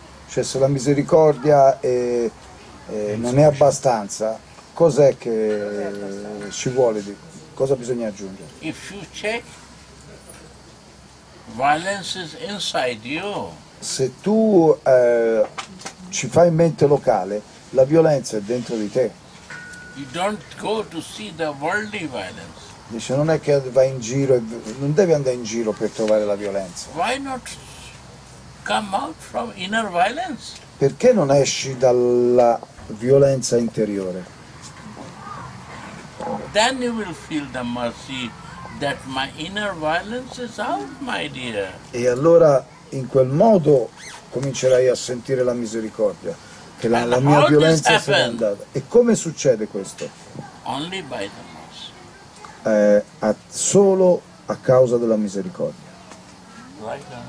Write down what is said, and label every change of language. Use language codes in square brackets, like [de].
[it] Cioè, se la misericordia non è abbastanza, cos'è che ci vuole? Cosa bisogna aggiungere? [en] If you check, violence is inside you. [it] Se tu ci fai mente locale, la violenza è dentro di te. [en] You don't go to see the worldly violence. [it] Dice, non è che vai in giro, non devi andare in giro per trovare la violenza. [en] Why not come out from inner violence? [it] Perché non esci dalla violenza interiore? [en] Then you will feel the mercy that my inner violence is out, my dear. [it] E allora in quel modo comincerai a sentire la misericordia, che la mia violenza se n'è andata. E come succede questo? [en] Only by the mercy. [it] Solo a causa della misericordia. [en] Right,